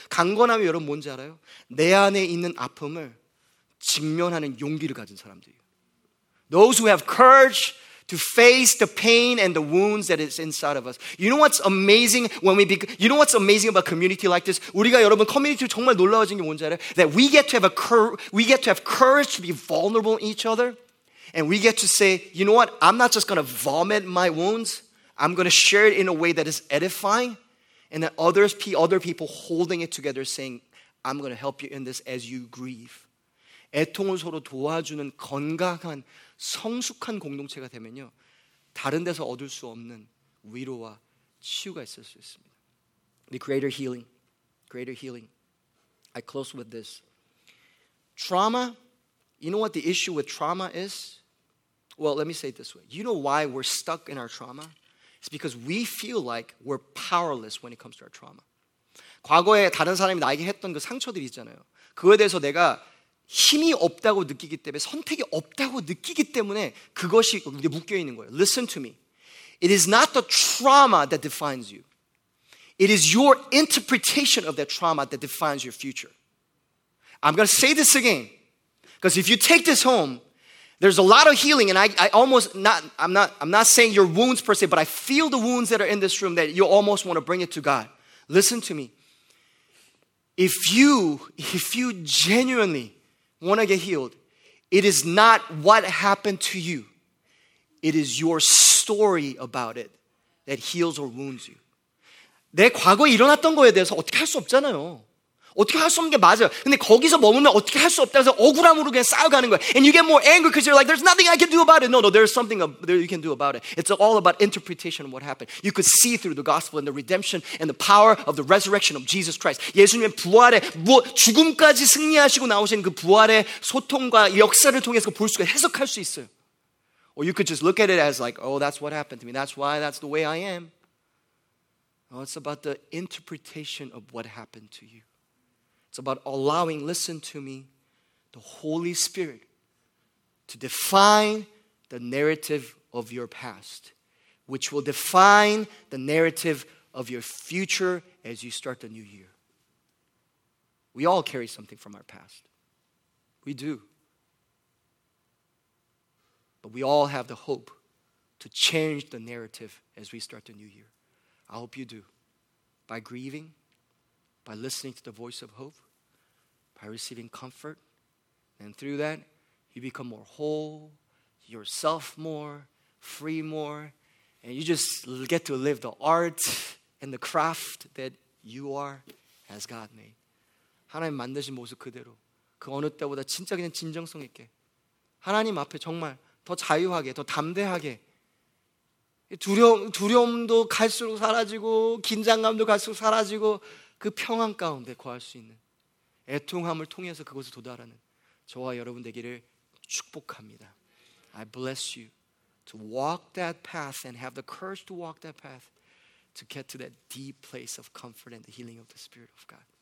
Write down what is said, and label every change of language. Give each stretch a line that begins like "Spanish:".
Korean: 강건함이 여러분 뭔지 알아요? 내 안에 있는 아픔을 직면하는 용기를 가진 사람들이에요.
English: Those who have courage to face the pain and the wounds that is inside of us. You know what's amazing when we you know what's amazing about community like this?
Korean: 우리가 여러분 커뮤니티 정말 놀라워진 게 뭔지 알아요?
English: That we get to have courage to be vulnerable in each other, and we get to say, you know what? I'm not just going to vomit my wounds. I'm going to share it in a way that is edifying, and that other people holding it together, saying, I'm going to help you in this as you grieve.
Korean: 애통을 서로 도와주는 건강한 성숙한 공동체가 되면요 다른 데서 얻을 수 없는 위로와 치유가 있을 수 있습니다.
English: The greater healing, greater healing. I close with this. Trauma. You know what the issue with trauma is? Well, let me say it this way. You know why we're stuck in our trauma? It's because we feel like we're powerless when it comes to our trauma.
Korean: 과거에 다른 사람이 나에게 했던 그 상처들이 있잖아요. 그거에 대해서 내가 힘이 없다고 느끼기 때문에 선택이 없다고 느끼기 때문에 그것이 이제 묶여 있는 거예요.
English: Listen to me. It is not the trauma that defines you. It is your interpretation of that trauma that defines your future. I'm going to say this again. Because if you take this home, there's a lot of healing and I'm not saying your wounds per se, but I feel the wounds that are in this room that you almost want to bring it to God. Listen to me. If you genuinely want to get healed, it is not what happened to you. It is your story about it that heals or wounds you.
Korean: 내 과거에 일어났던 거에 대해서 어떻게 할 수 없잖아요. 어떻게 할 수 없는 게 맞아요. 근데 거기서 머무면 어떻게 할 수 없다 해서 억울함으로 그냥 쌓여가는 거예요.
English: And you get more angry because you're like, there's nothing I can do about it. No, no, there's something you can do about it. It's all about interpretation of what happened. You could see through the gospel and the redemption and the power of the resurrection of Jesus Christ.
Korean: 예수님의 부활에, 죽음까지 승리하시고 나오신 그 부활의 소통과 역사를 통해서 볼 수가 해석할 수 있어요.
English: Or you could just look at it as like, oh, that's what happened to me. That's why, that's the way I am. Oh, it's about the interpretation of what happened to you. It's about allowing, listen to me, the Holy Spirit to define the narrative of your past, which will define the narrative of your future as you start the new year. We all carry something from our past. We do. But we all have the hope to change the narrative as we start the new year. I hope you do. By grieving, by listening to the voice of hope, by receiving comfort, and through that, you become more whole, yourself more, free more, and you just get to live the art and the craft that you are as God made.
Korean: 하나님 만드신 모습 그대로, 그 어느 때보다 진짜 그냥 진정성 있게, 하나님 앞에 정말 더 자유하게, 더 담대하게, 두려움도 갈수록 사라지고, 긴장감도 갈수록 사라지고, 그 평안 가운데 거할 수 있는, 애통함을 통해서 그곳에 도달하는 저와 여러분 되기를 축복합니다.
English: I bless you to walk that path and have the courage to walk that path to get to that deep place of comfort and the healing of the Spirit of God.